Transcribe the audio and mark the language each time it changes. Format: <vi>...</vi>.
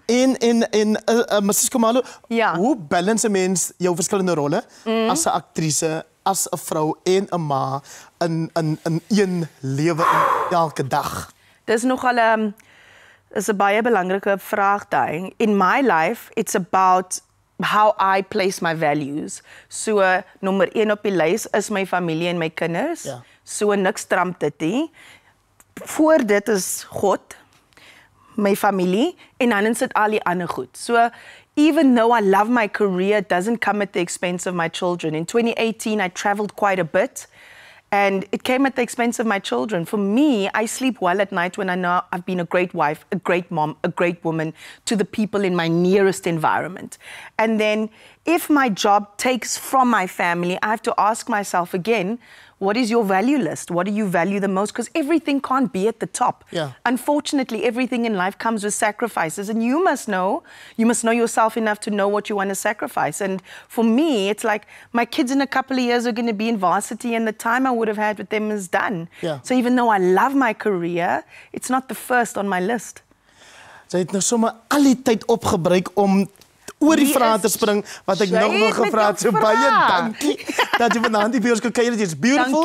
<af>En Mrs. Kumalo, hoe balance 'n mens jou verskillende rolle as 'n aktrise, as 'n vrou en 'n ma in een lewe elke dag? Dis nogal 'n baie belangrike vraag daai.</af> <en>In my life, it's about how I place my values.</en> <af>So nommer 1 op die lys is my familie en my kinders. Ja. So niks tramp dit nie. Voor dit is God, my familie en dan sit al die ander goed.</af> <en>So even though I love my career, it doesn't come at the expense of my children. In 2018, I traveled quite a bit and it came at the expense of my children. For me, I sleep well at night when I know I've been a great wife, a great mom, a great woman to the people in my nearest environment. And then if my job takes from my family, I have to ask myself again, what is your value list? What do you value the most? Because everything can't be at the top. Yeah. Unfortunately, everything in life comes with sacrifices. And you must know yourself enough to know what you want to sacrifice. And for me, it's like my kids in a couple of years are going to be in varsity and the time I would have had with them is done. Yeah. So even though I love my career, it's not the first on my list.</en> <af>Sy het nou sommer al die tyd opgebruik om oor die vraag te spring, wat ek nog wil gevra het, so baie dankie, dat jy vanavond die bioscoop kyk, jy is beautiful,</af>